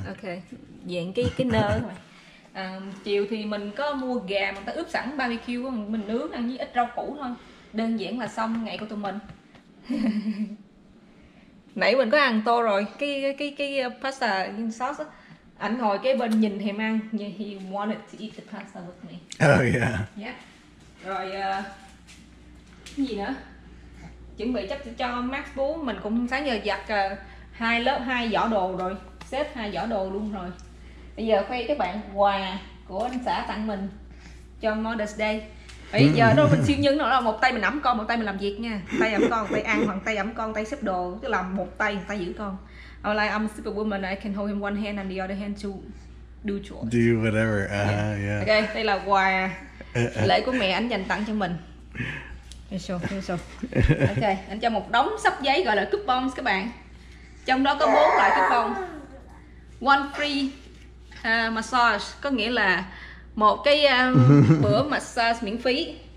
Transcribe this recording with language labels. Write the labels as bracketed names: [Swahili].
[Vietnamese] Ok, dạng cái nơ mà. Chiều thì mình có mua gà mà ta ướp sẵn barbecue, mình nướng ăn với ít rau củ thôi. Đơn giản là xong ngày của tụi mình. Nãy mình có ăn tô rồi, cái pasta sauce đó. Anh ngồi cái bên nhìn thèm ăn. [English] He wanted to eat the pasta with me. Oh yeah. Yeah. [Vietnamese] Rồi cái gì nữa? Chuẩn bị chắc cho Max bú, mình cũng sáng giờ giặt hai giỏ đồ rồi, xếp hai giỏ đồ luôn rồi. Bây giờ khoe các bạn quà của anh xã tặng mình cho Mother's Day. Bây giờ đâu mình siêu nhân nữa, một tay mình ẵm con, một tay mình làm việc nha. Tay ẵm con, tay ăn, hoặc tay ẵm con, tay xếp đồ, cứ làm một tay, một tay giữ con. [English] I'm like I'm a superwoman, I can hold him one hand and the other hand to do chores. Do whatever. Yeah. [Vietnamese] Okay, đây là quà lễ của mẹ anh dành tặng cho mình. Sure. Ok, anh cho một đống sắp giấy gọi là coupons các bạn. Trong đó có 4 loại coupon. [English] One free massage, [Vietnamese] có nghĩa là một cái bữa massage miễn phí.